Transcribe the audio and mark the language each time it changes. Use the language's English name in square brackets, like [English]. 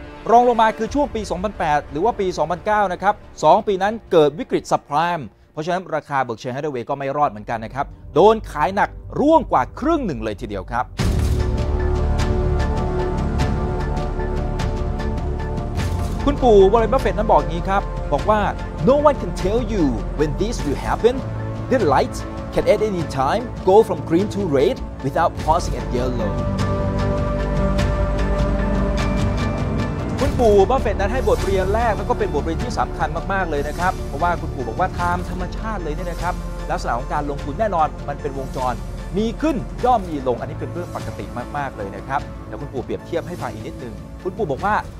[Thai] รองลงมาคือช่วงปี2008หรือว่าปี2009นะครับ2ปีนั้นเกิดวิกฤตซับไพรม์เพราะฉะนั้นราคา Berkshire Hathaway ก็ไม่รอดเหมือนกันนะครับโดนขายหนักร่วงกว่าครึ่งหนึ่งเลยทีเดียวครับคุณปู่วอร์เรน บัฟเฟตต์นั้นบอกงี้ครับบอกว่า [English] No one can tell you when this will happen. The light can at any time go from green to red without pausing at yellow. [Thai] คุณปู่บัฟเฟตต์นั้นให้บทเรียนแรกแล้วก็เป็นบทเรียนที่สำคัญมากๆเลยนะครับเพราะว่าคุณปู่บอกว่าตามธรรมชาติเลยเนี่ยนะครับลักษณะของการลงทุนแน่นอนมันเป็นวงจรมีขึ้นย่อมมีลงอันนี้เป็นเรื่องปกติมากๆเลยนะครับแล้วคุณปู่เปรียบเทียบให้ฟังอีกนิดนึงคุณปู่บอกว่า